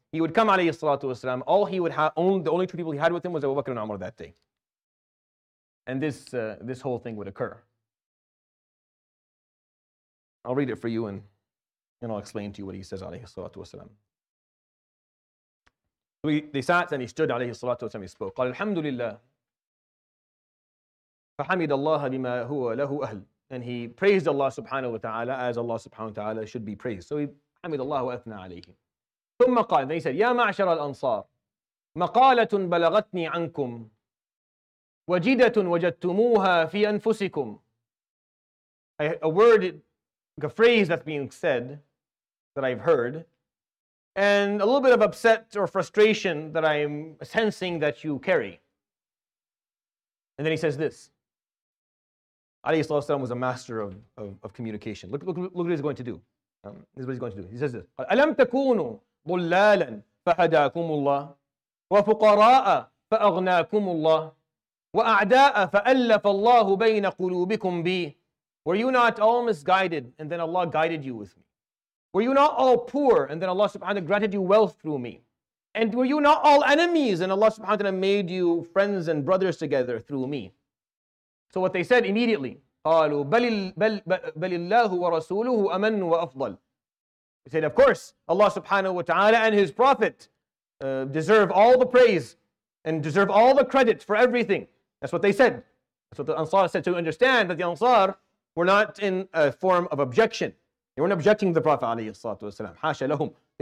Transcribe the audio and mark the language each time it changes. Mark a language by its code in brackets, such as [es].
[en] He would come, alayhi salatu wasalam. All he would have, the only two people he had with him was Abu Bakr and Umar that day. And this whole thing would occur. I'll read it for you and I'll explain to you what he says, alayhi salatu wasalam. So they sat and he stood, alayhi salatu wasalam, he spoke. [ar] قال الحمد لله فحمد الله بما هو له أهل. [en] And he praised Allah subhanahu wa ta'ala as Allah subhanahu wa ta'ala should be praised. So he [ar] حمد الله وأثنى عليه. ثم قال, [en] then he said, [ar] يا معشر الأنصار مقالة بلغتني عنكم وجدة وجدتموها في أنفسكم. [en] A word, a phrase that's being said that I've heard, and a little bit of upset or frustration that I'm sensing that you carry. And then he says this. Alayhi salatu wasalam was a master of communication. Look what he's going to do. This is what he's going to do. [ar] He says this. أَلَمْ تَكُونُوا ضُلَّالًا فَهَدَاكُمُ اللَّهِ وَفُقَرَاءَ فَأَغْنَاكُمُ اللَّهِ وَأَعْدَاءَ فَأَلَّفَ اللَّهُ بَيْنَ قُلُوبِكُمْ بِي. [en] Were you not all misguided and then Allah guided you with me? Were you not all poor and then Allah subhanahu wa ta'ala granted you wealth through me? And were you not all enemies and Allah subhanahu wa ta'ala made you friends and brothers together through me? So what they said immediately, [ar] قالوا بل الله ورسوله أمن وأفضل. [en] He said, of course, Allah subhanahu wa ta'ala and His Prophet deserve all the praise and deserve all the credit for everything. That's what they said. That's what the Ansar said. So you understand that the Ansar were not in a form of objection. They weren't objecting to the Prophet alayhi salatu wasalam. Hasha lahum.